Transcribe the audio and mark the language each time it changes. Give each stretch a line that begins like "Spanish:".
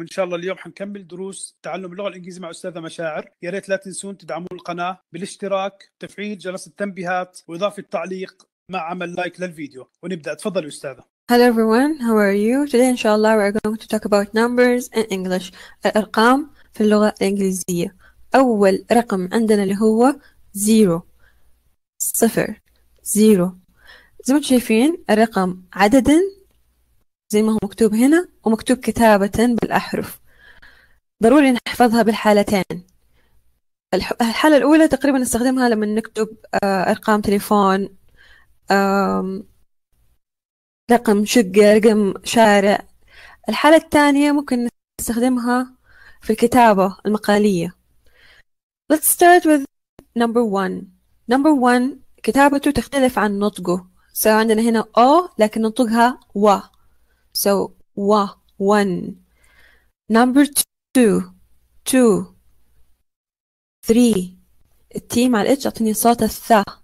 Arabic: إن شاء الله اليوم حنكمل دروس تعلم اللغة الإنجليزية مع أستاذة مشاعر. يا ريت لا تنسون تدعمون القناة بالاشتراك، تفعيل جرس التنبيهات، وإضافة التعليق مع عمل لايك للفيديو. ونبدأ، تفضل أستاذة.
English: Hello everyone, how are you? Today inshallah we are going to talk about numbers in English.
Arabic: الأرقام في اللغة الإنجليزية. أول رقم عندنا اللي هو zero. صفر. Zero. زي ما تشايفين الرقم عددا زي ما هو مكتوب هنا ومكتوب كتابة بالأحرف. ضروري نحفظها بالحالتين. الحالة الأولى تقريبا نستخدمها لما نكتب أرقام تليفون، رقم شقة، رقم شارع. الحالة الثانية ممكن نستخدمها في الكتابة المقالية.
English: Let's start with number one. Number one
Arabic: كتابته تختلف عن نطقه. So عندنا هنا O لكن نطقها و.
English: So و one. Number two.
Arabic: Three. T مع الإتش أعطيني صوت الثاء.